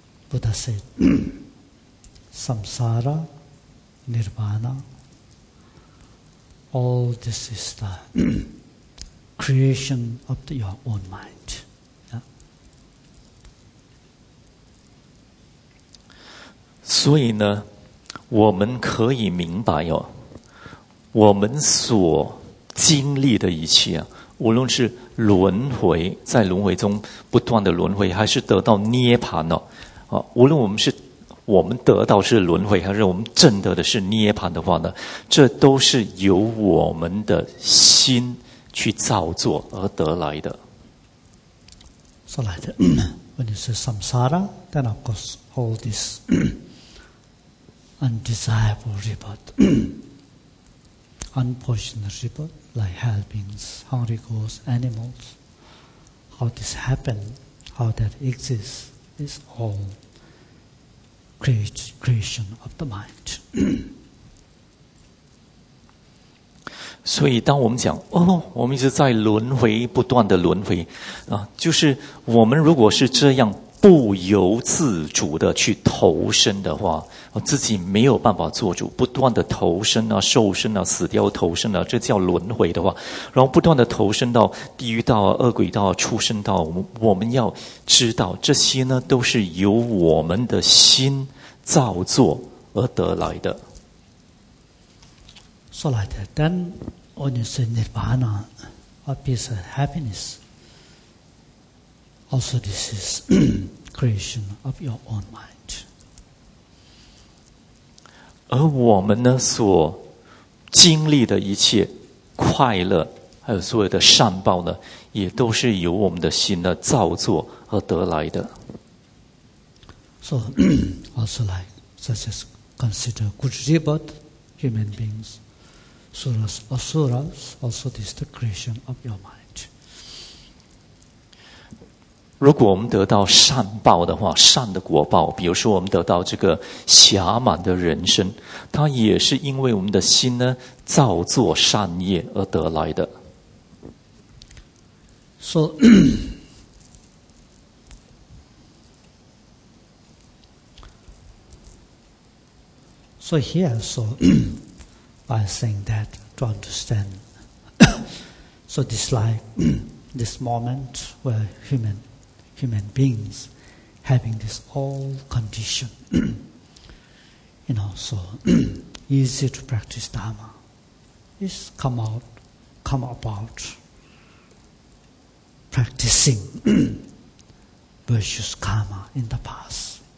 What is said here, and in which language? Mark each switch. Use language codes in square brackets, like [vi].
[en] Buddha said, samsara, nirvana, all this is the creation of your own mind. [zh] 所以呢我们可以明白哦，我们所经历的一切，无论是轮回，在轮回中不断的轮回，还是得到涅槃哦，无论我们得到是轮回，还是我们证得的是涅槃的话呢，这都是由我们的心去造作而得来的。 [en] So like that, when you say samsara, then of course all this. Undesirable rebirth, unfortunate rebirth, like hell beings, hungry ghosts, animals, how this happened, how that exists, is all creation of the mind. [zh] 所以当我们讲哦，我们一直在轮回，不断的轮回啊，就是我们如果是这样不由自主的去投身的话，自己没有办法做主，不断的投身啊，受身啊，死掉投身啊，这叫轮回的话，然后不断的投身到地狱道啊，恶鬼道啊，畜生道，我们要知道这些呢都是由我们的心造作而得来的。 [en] So like that, then when you say nirvana, a piece of happiness. Also, this is creation of your own mind. [zh] 而我们呢，所经历的一切快乐，还有所有的善报呢，也都是由我们的心呢造作而得来的。 [en] So, also like such as consider good rebirth, human beings, suras, asuras, also this is the creation of your mind. [zh] 如果我们得到善报的话，善的果报，比如说我们得到这个暇满的人生，它也是因为我们的心呢造作善业而得来的。 [en] 说So here, so by saying that, to understand, so this life, this moment where human beings having this all condition, you know, so easy to practice Dharma, is come about practicing virtuous karma in the past.